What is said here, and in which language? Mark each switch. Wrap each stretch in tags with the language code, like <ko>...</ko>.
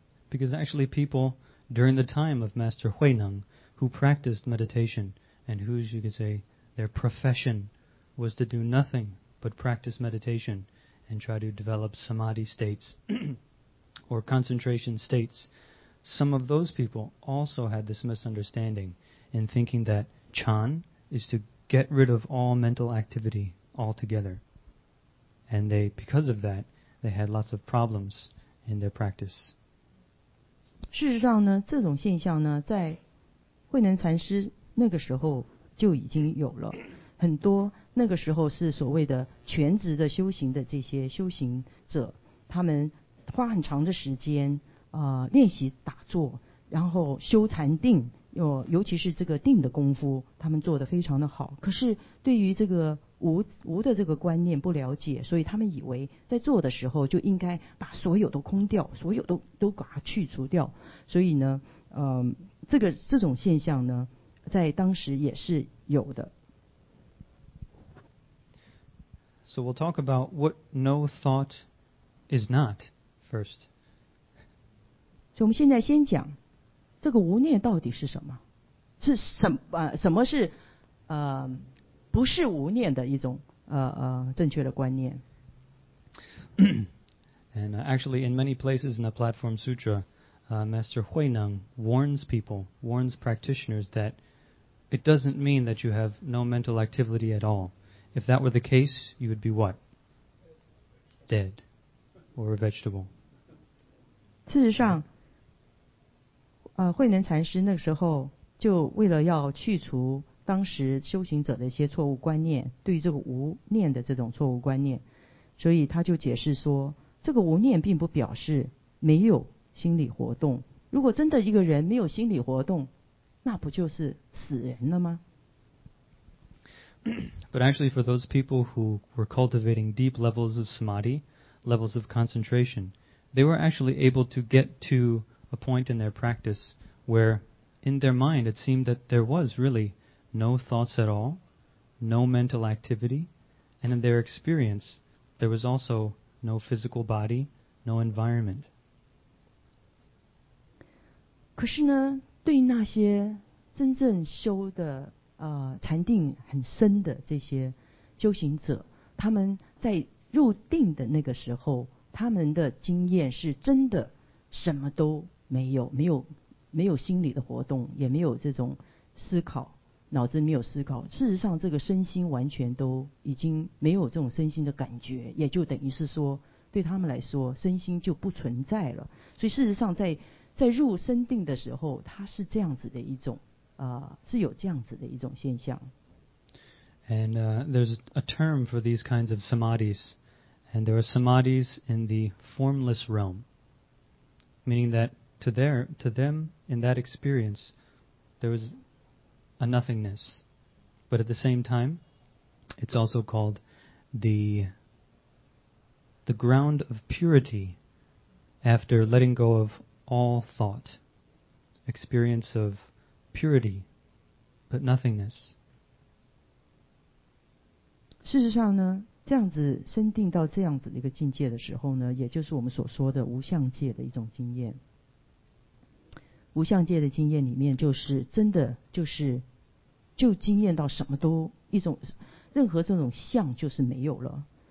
<en>Because actually people during the time of Master Huineng, who practiced meditation and whose, you could say, their profession was to do nothing but practice meditation,and try to develop samadhi states or concentration states. some of those people also had this misunderstanding in thinking that Chan is to get rid of all mental activity altogether. And they, because of that, they had lots of problems in their practice.</en> <zh>事实上呢，这种现象呢，在慧能禅师那个时候就已经有了。很多那个时候是所谓的全职的修行的这些修行者，他们花很长的时间练习打坐，然后修禅定，尤其是这个定的功夫，他们做得非常的好。可是对于这个无的这个观念不了解，所以他们以为在做的时候就应该把所有都空掉，所有都把它去除掉。所以呢，这种现象呢，在当时也是有的。</zh> <en>So we'll talk about what no thought is not first.</en> <zh>所以我们现在先讲这个无念到底是什么？是什么是不是无念的一种正确的观念</zh> <en>？And actually, in many places in the Platform Sutra, Master Hui Neng warns practitioners that it doesn't mean that you have no mental activity at all. If that were the case, you would be what? Dead or a vegetable.</en> <zh>事实上，慧能禅师那个时候就为了要去除当时修行者的一些错误观念，对于这个无念的这种错误观念，所以他就解释说，这个无念并不表示没有心理活动。如果真的一个人没有心理活动，那不就是死人了吗？</zh> <en>But actually, for those people who were cultivating deep levels of samadhi, levels of concentration, they were actually able to get to a point in their practice where, in their mind, it seemed that there was really no thoughts at all, no mental activity, and in their experience, there was also no physical body, no environment.</en> <zh>可是呢，对那些真正修的禅定很深的这些修行者，他们在入定的那个时候，他们的经验是真的什么都没有，没有心理的活动，也没有这种思考，脑子没有思考。事实上，这个身心完全都已经没有这种身心的感觉，也就等于是说，对他们来说，身心就不存在了。所以，事实上在入深定的时候，它是这样子的一种是有这样子的一种现象。</zh> <en>And there's a term for these kinds of samadhis, and there are samadhis in the formless realm, meaning that to them in that experience, there was a nothingness. But at the same time, it's also called the ground of purity after letting go of all thought, experience of purity, but nothingness.</en> <zh>事实上呢，这样子深定到这样子的一个境界的时候呢，也就是我们所说的无相界的一种经验。无相界的经验里面，就是真的就是就经验到什么都一种任何这种相就是没有了。</zh>